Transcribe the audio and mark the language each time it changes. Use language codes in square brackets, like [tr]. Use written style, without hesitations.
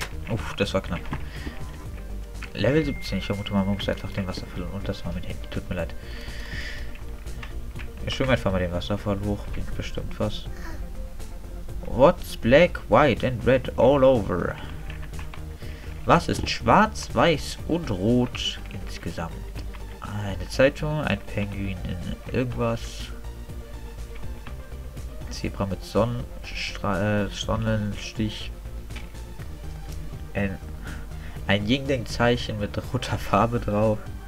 [de] Uff, das war knapp. Level 17, ich vermute mal, man muss einfach den Wasserfall und das war mein Handy, tut mir leid. Wir schwimmen einfach mal den Wasserfall hoch, bringt bestimmt was. [en] What's black, white and red all over? [de] Was ist schwarz, weiß und rot insgesamt? Eine Zeitung, ein Penguin in irgendwas. Zebra mit Sonnenstich. Ein Yingling-Zeichen mit roter Farbe drauf.